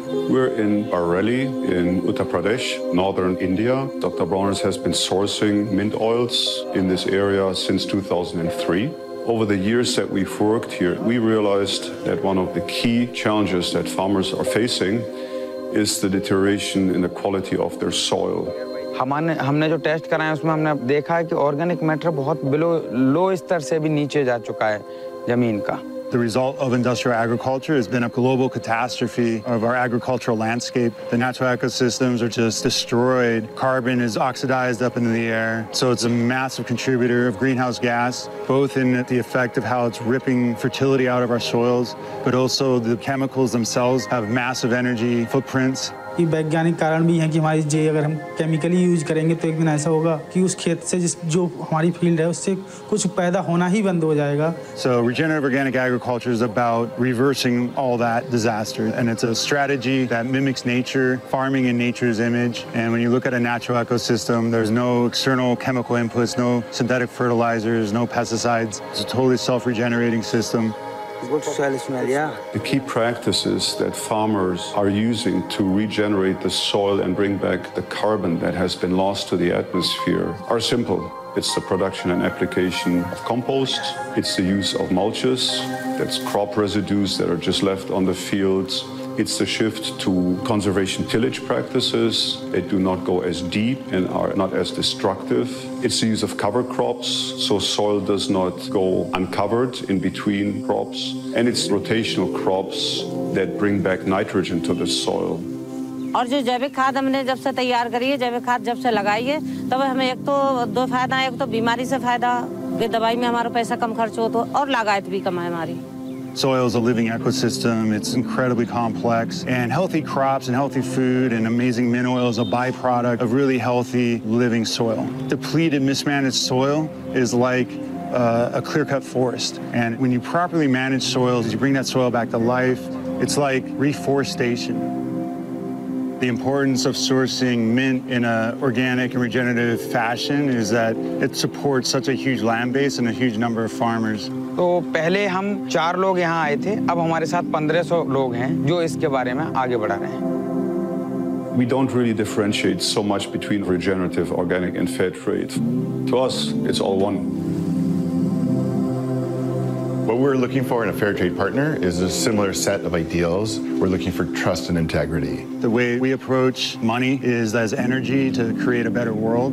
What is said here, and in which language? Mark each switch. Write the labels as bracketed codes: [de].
[en] We're in Bareilly in Uttar Pradesh, northern India. Dr. Bronner's has been sourcing mint oils in this area since 2003. Over the years that we've worked here, we realized that one of the key challenges that farmers are facing is the deterioration in the quality of their soil. [hi] हमने जो test कराया उसमें हमने देखा है कि organic matter बहुत लो स्तर से भी नीचे जा चुका है जमीन का. [en] The result of industrial agriculture has been a global catastrophe of our agricultural landscape. The natural ecosystems are just destroyed. Carbon is oxidized up into the air. So it's a massive contributor of greenhouse gas, both in the effect of how it's ripping fertility out of our soils, but also the chemicals themselves have massive energy footprints. [hi] ये वैज्ञानिक कारण भी हैं कि हमारी जे अगर हम chemically use करेंगे तो एक दिन ऐसा होगा कि उस खेत से जिस जो हमारी फील्ड है उससे कुछ पैदा होना ही बंद हो जाएगा. [en] So regenerative organic agriculture is about reversing all that disaster, and it's a strategy that mimics nature, farming in nature's image. And when you look at a natural ecosystem, there's no external chemical inputs, no synthetic fertilizers, no pesticides. It's a totally self-regenerating system. The key practices that farmers are using to regenerate the soil and bring back the carbon that has been lost to the atmosphere are simple. It's the production and application of compost. It's the use of mulches. That's crop residues that are just left on the fields. It's the shift to conservation tillage practices that do not go as deep and are not as destructive. It's the use of cover crops, so soil does not go uncovered in between crops. And it's rotational crops that bring back nitrogen to the soil. [hi] और जो जैविक खाद हमने जब से तैयार करी है, जैविक खाद जब से लगाई है, तब हमें एक तो दो फायदा है, एक तो बीमारी से फायदा, ये दवाई में हमारा पैसा कम खर्च हो तो और लागत भी कम है हमारी. [en] Soil is a living ecosystem. It's incredibly complex. And healthy crops and healthy food and amazing mint oil is a byproduct of really healthy living soil. Depleted, mismanaged soil is like a clear-cut forest. And when you properly manage soils, you bring that soil back to life. It's like reforestation. The importance of sourcing mint in an organic and regenerative fashion is that it supports such a huge land base and a huge number of farmers. [hi] So पहले हम चार लोग यहाँ आए थे, अब हमारे साथ 1500 लोग हैं जो इसके बारे में आगे बढ़ा रहे हैं. [en] We don't really differentiate so much between regenerative, organic, and fair trade. To us, it's all one. What we're looking for in a fair trade partner is a similar set of ideals. We're looking for trust and integrity. The way we approach money is as energy to create a better world.